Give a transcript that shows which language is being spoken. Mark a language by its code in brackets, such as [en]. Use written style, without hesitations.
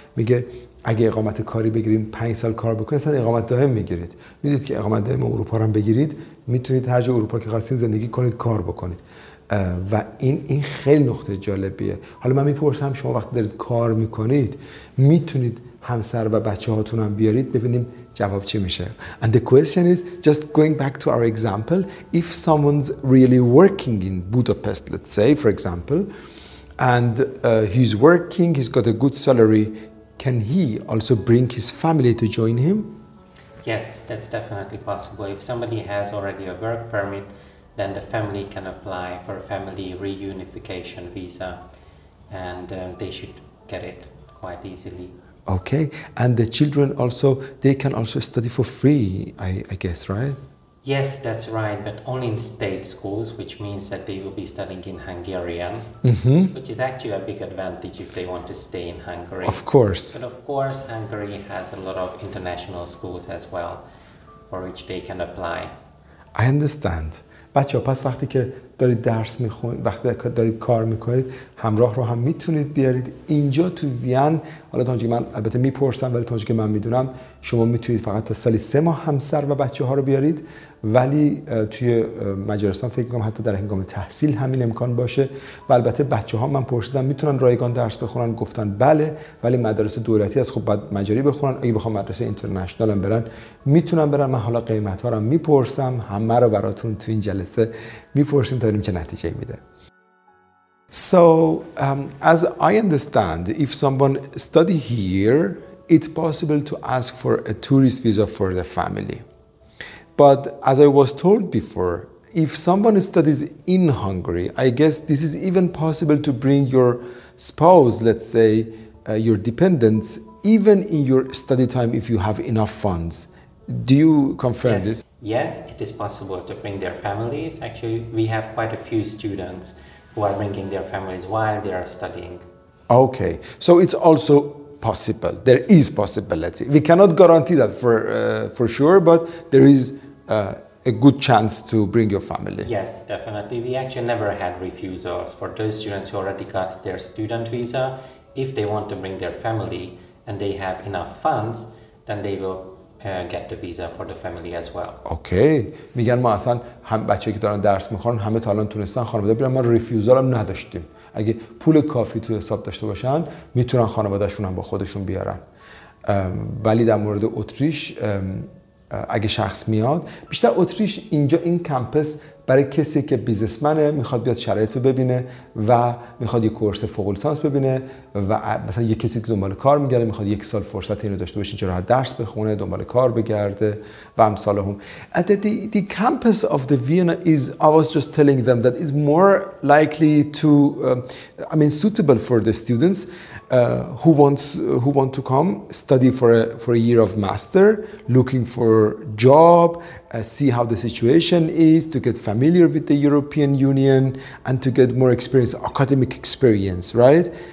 [fa] میگه اگه اقامت کاری بگیریم 5 سال کار بکنید، اصلا اقامت دائم میگیرید. میدونید که اقامت دائم اروپا رو هم بگیرید، میتونید هر جا اروپا که خواستین زندگی کنید، کار بکنید. و این خیلی نقطه جالبیه. حالا من میپرسم شما وقتی دارید کار میکنید میتونید همسر و بچه هاتون هم بیارید ببینیم جواب چی میشه. [en] And the question is, just going back to our example, if someone's really working in Budapest, let's say, for example, and he's working, he's got a good salary, can he also bring his family to join him? Yes, that's definitely possible. If somebody has already a work permit, then the family can apply for a family reunification visa, and they should get it quite easily. Okay, and the children also, they can also study for free, I guess, right? Yes, that's right, but only in state schools, which means that they will be studying in Hungarian, mm-hmm. which is actually a big advantage if they want to stay in Hungary. Of course. But of course, Hungary has a lot of international schools as well, for which they can apply. I understand. [fa] بچه ها پس وقتی که دارید درس میخونید، وقتی که دارید کار میکنید، همراه رو هم میتونید بیارید اینجا تو وین. حالا تا اونجا که من البته میپرسم، ولی تا اونجا که من میدونم شما میتونید فقط تا سالی 3 ماه همسر و بچه ها رو بیارید، ولی توی مجارستان فکر میکنم حتی در هنگام تحصیل همین امکان باشه. و البته بچه ها من پرسیدم میتونن رایگان درس بخونن، گفتن بله، ولی مدارس دولتی از خب باید مجاری بخونن. اگه بخوام مدرسه اینترنشنال هم برن میتونن برن. من حالا قیمت ها رو میپرسم، همه رو براتون تو این جلسه میپرسیم تا ببینیم چه نتیجه میده. [en] So as I understand, if someone study here, it's possible to ask for a tourist visa for the family. But as I was told before, if someone studies in Hungary, I guess this is even possible to bring your spouse, let's say, your dependents, even in your study time if you have enough funds. Do you confirm this? Yes, it is possible to bring their families. Actually, we have quite a few students who are bringing their families while they are studying. Okay, so it's also possible. There is possibility. We cannot guarantee that for sure, but there is a good chance to bring your family. Yes, definitely. We actually never had refusals for those students who already got their student visa. If they want to bring their family and they have enough funds, then they will get the visa for the family as well. Okay. [fa] میگن ما اصلا هم بچه‌ای که دارن درس می‌خونن همه تا الان تونستن خانواده بیارن، ما ریفیوزال هم نداشتیم. اگه پول کافی تو حساب داشته باشن میتونن خانواده‌شون هم با خودشون بیارن. ولی در مورد اتریش اگه شخص میاد، بیشتر اتریش اینجا این کمپس برای کسی که بیزنسمنه، میخواد بیاد شرایط رو ببینه و میخواد یک کورس فوق لیسانس ببینه و مثلا یک کسی که دنبال کار میگرده میخواد یک سال فرصت اینو داشته باشه، چرا درس بخونه، دنبال کار بگرده و امثال هم. [en] The campus of the Vienna is, I was just telling them that is more likely to, I mean, suitable for the students who want to come study for a year of master, looking for job, see how the situation is, to get familiar with the European Union and to get more experience, academic experience, right?